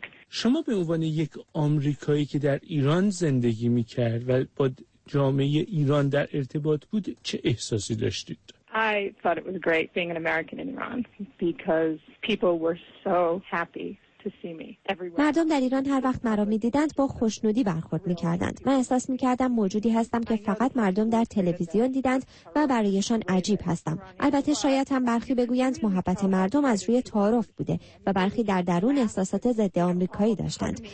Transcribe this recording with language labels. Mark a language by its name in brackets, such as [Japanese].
[Persian] شما به عنوان یک آمریکایی که در ایران زندگی می‌کرد و با جامعه ایران در ارتباط بود، چه احساسی داشتید؟ [English] I thought it was great being an American in Iran because people were so happy. [Persian] مردم در ایران هر وقت مرا می دیدند با خوشنودی برخورد می کردند. من احساس می کردم موجودی هستم که فقط مردم در تلویزیون دیدند و برایشان عجیب هستم. البته شاید هم برخی بگویند محبت مردم از روی تعارف بوده و برخی در درون احساسات ضد آمریکایی داشتند.